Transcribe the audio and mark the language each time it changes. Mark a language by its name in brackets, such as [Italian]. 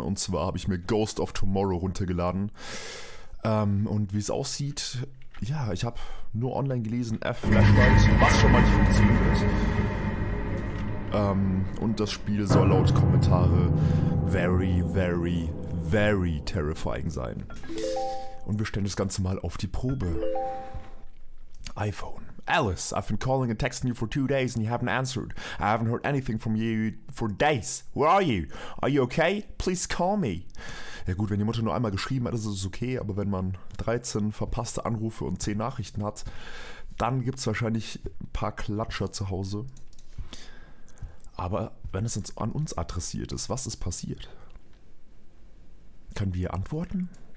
[German] Und zwar habe ich mir Ghost of Tomorrow runtergeladen. Und wie es aussieht, ja, ich habe nur online gelesen, F-Flashlight, was schon mal nicht funktioniert. Und das Spiel soll laut Kommentare [English] very, very, very terrifying [German] sein. Und wir stellen das Ganze mal auf die Probe. iPhone. [English] Alice, I've been calling and texting you for 2 days and you haven't answered. I haven't heard anything from you for days. Where are you? Are you okay? Please call me. [German] Ja gut, wenn die Mutter nur einmal geschrieben hat, ist es okay, aber wenn man 13 verpasste Anrufe und 10 Nachrichten hat, dann gibt es wahrscheinlich ein paar Klatscher zu Hause. Aber wenn es an uns adressiert ist, was ist passiert? Können wir antworten?